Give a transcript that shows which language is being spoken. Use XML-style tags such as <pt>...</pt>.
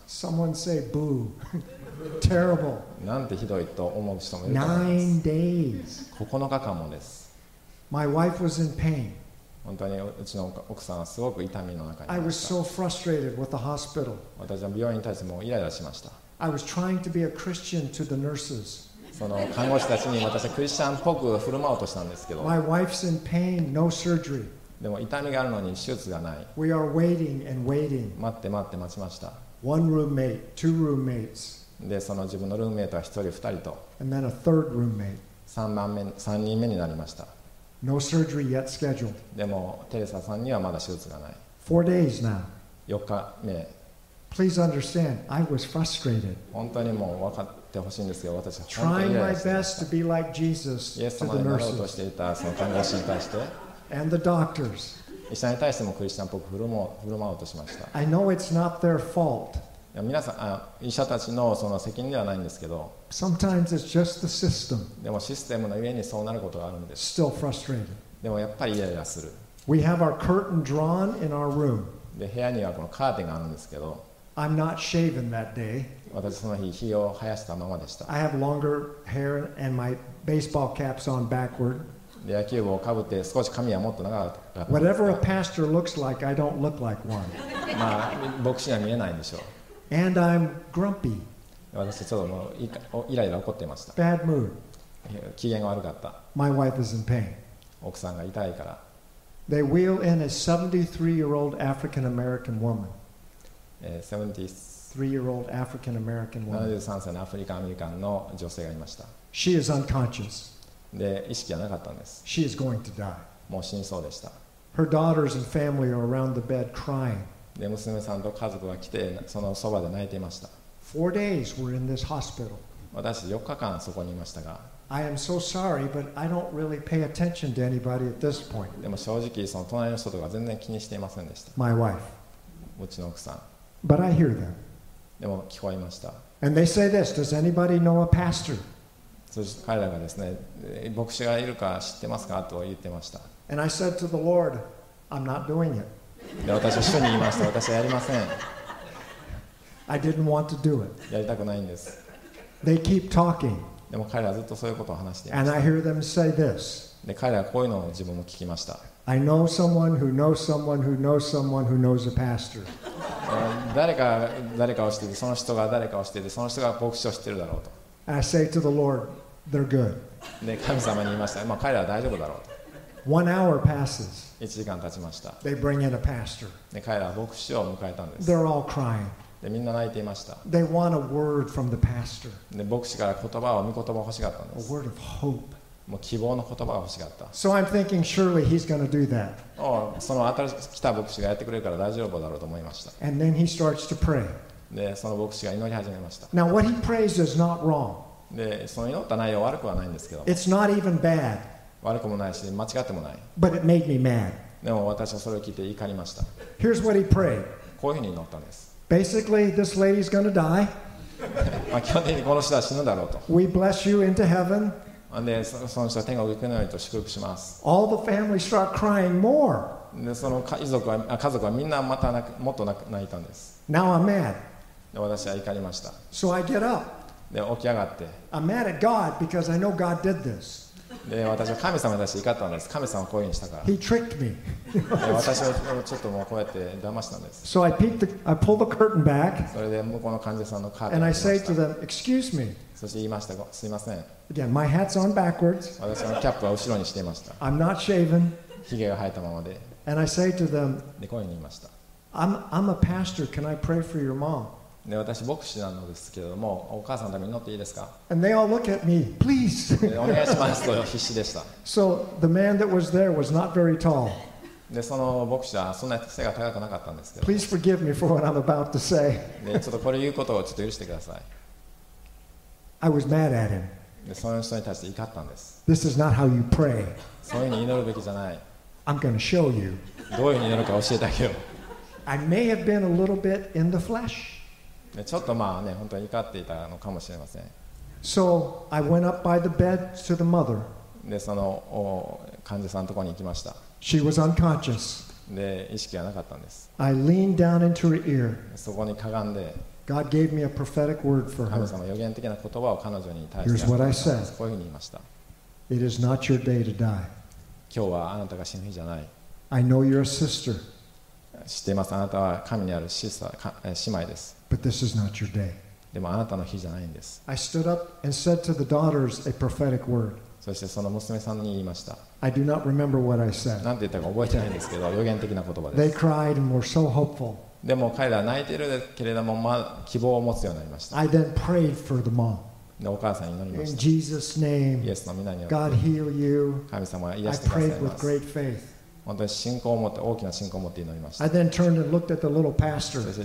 <en>Someone say boo. Terrible.</en> <ja>なんてひどいと思う人もいると思います。</ja> <en>Nine days.</en> <ja>9日間もです。</ja> <en>My wife was in pain.</en> <ja>本当にうちの奥さんはすごく痛みの中にいました。</ja> <en>I was so frustrated with the hospital.</en> <ja>私は病院に対してもうイライラしました。</ja> <en>I was trying to be a Christian to the nurses.</en> <ja>その看護師たちに私はクリスチャンっぽく振る舞おうとしたんですけど。</ja> <en>My wife's in pain, no surgery.</en> <ja>でも痛みがあるのに手術がない。</ja> <en>We are waiting and waiting.</en> <ja>待って待って待ちました。</ja> <en>One roommate, two roommates.</en> <ja>でその自分のルームメイトは一人二人と。</ja> <en>And then a third roommate.</en> <ja>3人目になりました。</ja> <en>No surgery yet scheduled.</en> <ja>でもテレサさんにはまだ手術がない。</ja> <en>Four days now.</en> <ja>四日目。</ja> <en>Please understand, I was frustrated.</en> <ja>本当にもう分かってほしいんですけど、私は本当に</ja> <en>Trying my best to be like Jesus to the nurses.</en> <ja>イエス様になろうとしていたその看護師に対して。</ja> <en>And the doctors.</en> <ja>医者に対してもクリスチャンっぽく振る舞おうとしました。</ja> <en>I know it's not their fault.</en> <ja>皆さん、医者たちのその責任ではないんですけど。</ja> <en>Sometimes it's just the system.</en> <ja>でもシステムの上にそうなることがあるんです。</ja> <en>Still frustrated.</en> <ja>でもやっぱりイライラする。</ja> <en>We have our curtain drawn in our room.</en> <ja>で、部屋にはこのカーテンがあるんですけど、</ja> <en>I'm not shaven that day.</en> <ja>私その日、髭を生やしたままでした。</ja> <en>I have longer hair and my baseball cap's on backward.</en> <ja>野球帽をかぶって少し髪はもっと長かったんですが。</ja> <en>Whatever a pastor looks like, I don't look like one.</en> <ja>まあ、牧師には見えないんでしょう。</ja> <en>And I'm grumpy.</en> <ja>私ちょっともうイライラ怒っていました。</ja> <en>Bad mood.</en> <ja>機嫌が悪かった。</ja> <en>My wife is in pain.</en> <ja>奥さんが痛いから。</ja> <en>They wheel in a 73-year-old African-American woman. 73-year-old African-American woman.</en> <ja>73歳のアフリカンアメリカンの女性がいました。</ja> <en>She is unconscious.</en> <ja>で、意識がなかったんです。</ja> <en>She is going to die.</en> <ja>もう死にそうでした。</ja> <en>Her daughters and family are around the bed crying.</en> <ja>で、娘さんと家族が来て、そのそばで泣いていました。</ja> <en>Four days we're in this hospital.</en> <ja>私、4日間そこにいましたが。</ja> <en>I am so sorry, but I don't really pay attention to anybody at this point.</en> <ja>でも正直、その隣の人とか全然気にしていませんでした。</ja> <en>My wife.</en> <ja>うちの奥さん。</ja> <en>But I hear them.</en> <ja>でも聞こえました。</ja> <en>And they say this, does anybody know a pastor?</en> <ja>そして彼らがですね、牧師がいるか知ってますかと言ってました。</ja> <en>And I said to the Lord, I'm not doing it.</en> <ja>で、私は主に言いました。私はやりません。</ja> <en>I didn't want to do it.</en> <ja>やりたくないんです。</ja> <en>They keep talking.</en> <ja>でも彼らはずっとそういうことを話していました。</ja> <en>And I hear them say this.</en> <ja>で、彼らはこういうのを自分も聞きました。</ja> <en>I know someone who knows someone who knows someone who knows a pastor.</en> <ja>誰かを知っててその人が誰かを知っててその人が牧師を知ってるだろうと。</ja> <en>I say to the Lord, they're good.</en> <ja>で神様に言いました。まあ彼らは大丈夫だろうと。</ja> <en>One hour passes.</en> <ja>1時間経ちました。</ja> <en>They bring in a pastor.</en> <ja>で彼らは牧師を迎えたんです。</ja> <en>They're all crying.</en> <ja>でみんな泣いていました。</ja> <en>They want a word from the pastor.</en> <ja>で牧師から言葉を御言葉を欲しかったんです。</ja> <en>A word of hope.</en> <ja>もう希望の言葉が欲しかった。</ja> <en>So I'm thinking surely he's going to do that.</en> <ja>その新しく来た牧師がやってくれるから大丈夫だろうと思いました。</ja> <en>And then he starts to pray.</en> <ja>で、その牧師が祈り始めました。</ja> <en>Now what he prays is not wrong.</en> <ja>で、その祈った内容は悪くはないんですけど。</ja> <en>It's not even bad.</en> <ja>悪くもないし、間違ってもない。</ja> <en>But it made me mad.</en> <ja>でも私はそれを聞いて怒りました。</ja> <en>Here's what he prayed.</en> <ja>こういうふうに祈ったんです。</ja> <en>Basically, this lady's going to die.</en> <ja>まあ基本的にこの人は死ぬだろうと。</ja> <en>We bless you into heaven.</en> <ja>でその人は天国行くのようにと祝福します。</ja> <en>All the family start crying more.</en> <ja>でその家族はみんなまた泣くもっと泣いたんです。</ja> <en>Now I'm mad.</en> <ja>で私は怒りました。</ja> <en>So I get up.</en> <ja>で起き上がって。</ja> <en>I'm mad at God because I know God did this.</en> <ja>で私は神様に対して怒ったんです。神様はこういうふうにしたから。</ja> <en>He tricked me.</en> <ja>で私はちょっともうこうやって騙したんです。</ja> <en>So I peeked, I pulled the curtain back.</en> <ja>それで向こうの患者さんのカーテンを開けました。</ja> <en>And I say to them, "Excuse me."</en> <ja>そして言いました。すいません。</ja> <en>Again, my hat's on backwards.</en> <ja>私のキャップは後ろにしていました。</ja> <en>I'm not shaven.</en> <ja>ヒゲが生えたままで。</ja> <en>And I say to them,</en> <ja>で、こういうふうに言いました。</ja> <en>I'm a pastor. Can I pray for your mom?</en> <ja>で、私、牧師なのですけれども、お母さんのために祈っていいですか?</ja> <en>And they all look at me, please.</en> <ja>お願いしますと必死でした。</ja> <en>So the man that was there was not very tall.</en> <ja>で、その牧師はそんなに背が高くなかったんですけど。</ja> <en>Please forgive me for what I'm about to say.</en> <ja>で、ちょっとこれ言うことをちょっと許してください。</ja> <en>I was mad at him.</en> <ja>でその人に対して怒ったんです。</ja> <en>This is not how you pray.</en> <ja>そういうふうに祈るべきじゃない。</ja> <en>I'm going to show you.</en> <ja>どういうふうに祈るか教えてあげよう。</ja> <en>I may have been a little bit in the flesh.</en> <ja>でちょっとまあね、本当に怒っていたのかもしれません。</ja> <en>So I went up by the bed to the mother.</en> <ja>でその患者さんのところに行きました。</ja> <en>She was unconscious.</en> <ja>で意識がなかったんです。</ja> <en>I leaned down into her ear.</en> <ja>そこにかがんで。</ja> <en>God gave me a prophetic word for her.</en> <ja>神様予言的な言葉を彼女に対して。</ja> <en>Here's what I said.</en> <ja>こういうふうに言いました。</ja> <en>It is not your day to die.</en> <ja>今日はあなたが死ぬ日じゃない。</ja> <en>I know you're a sister.</en> <ja>知っています。あなたは神にある姉妹です。</ja> <en>But this is not your day.</en> <ja>でもあなたの日じゃないんです。</ja> <en>I stood up and said to the daughters a prophetic word.</en> <ja>そしてその娘さんに言いました。</ja> <en>I do not remember what I said.</en> <ja>なんて言ったか覚えてないんですけど、予言的な言葉です。</ja> <en>They cried and were so hopeful.</en> <ja>でも彼らは泣いているけれども、まあ、希望を持つようになりました。</ja> <en>I then prayed for the mom.</en> <ja>でお母さんに祈りました。</ja> <en>In Jesus' name,</en> <ja>イエスの御名によって、</ja> <en>God heal you.</en> <ja>神様は癒してくださいます。</ja> <en>I prayed with great faith.</en> <ja>本当に信仰を持って大きな信仰を持って祈りました。</ja> <en>I then turned and looked at the little pastor.</en>